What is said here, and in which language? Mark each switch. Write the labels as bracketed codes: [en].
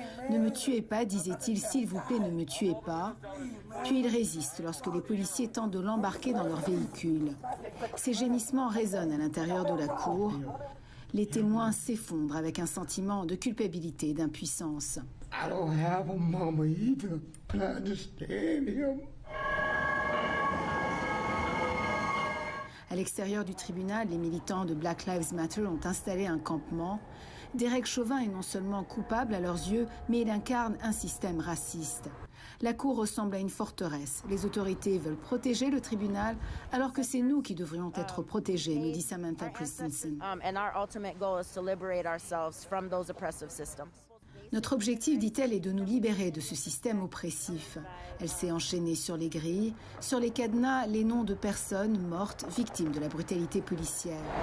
[fr] Ne me tuez pas, disait-il, s'il vous plaît, ne me tuez pas. Puis il résiste lorsque les policiers tentent de l'embarquer dans leur véhicule. Ses gémissements résonnent à l'intérieur de la cour. Les témoins s'effondrent avec un sentiment de culpabilité et d'impuissance. [en] I don't have a mama either, but I understand him. [fr] À l'extérieur du tribunal, les militants de Black Lives Matter ont installé un campement. Derek Chauvin est non seulement coupable à leurs yeux, mais il incarne un système raciste. La cour ressemble à une forteresse. Les autorités veulent protéger le tribunal, alors que c'est nous qui devrions être protégés, nous dit Samantha Christensen. [en] And our ultimate goal is to liberate ourselves from those oppressive systems. [fr] Notre objectif, dit-elle, est de nous libérer de ce système oppressif. Elle s'est enchaînée sur les grilles, sur les cadenas, les noms de personnes mortes, victimes de la brutalité policière.